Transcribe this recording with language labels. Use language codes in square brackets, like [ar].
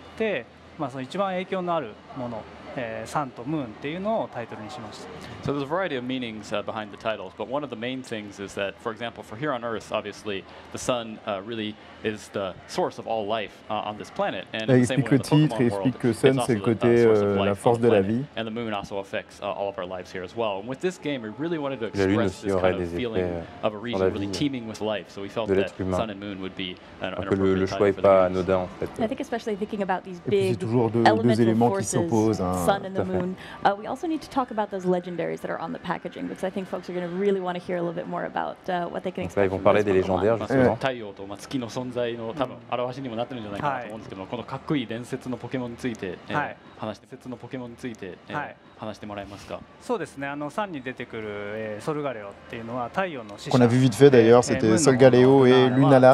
[ja] まあ、私たちのあの住んでいるこの地球っていうところにはま、生き物がたくさんいるわけですけども、まあその中で、まあその生き物に対してとても影響がある、まあそのコアとなっているものっていうのはやっぱり太陽と月っていうのは、あの非常にこう大切なものだと思うんですね。で、今回はその、まあ生命をまあよりこう魅力的に、あの見せていきたいっていう思いもあって、まあその一番影響のあるもの [en] So there's a variety of meanings behind the titles, but one of the main things, is that, for example, for here on Earth, obviously, the sun really is the source of all life on this planet. And in the same way, the Pokemon world, it's also the source of life [fr] la force de la vie. [en] And the moon also affects all of our lives here as well. And with this game, we really wanted to express this kind of feeling of a region really teeming with life. So we felt that sun and moon would be an appropriate title for the games. [fr] En fait. [en] I think especially thinking about these big elemental forces, sun and the moon. We also need to talk about those legendaries that are on the packaging, because I think folks are going to really want to hear a little bit more about what they can expect. [fr] Ils vont parler des légendaires, justement. [ja] 太陽と月の 存在の多分表しにもなってるんじゃないかと思うんですけど、この格好いい伝説のポケモンについて話して、伝説のポケモンについて話してもらえますか。そうですね。あの3に出てくるソルガレオっていうのは太陽の使者。 [fr] Qu'on a vu vite fait d'ailleurs, c'était Solgaleo et Lunala.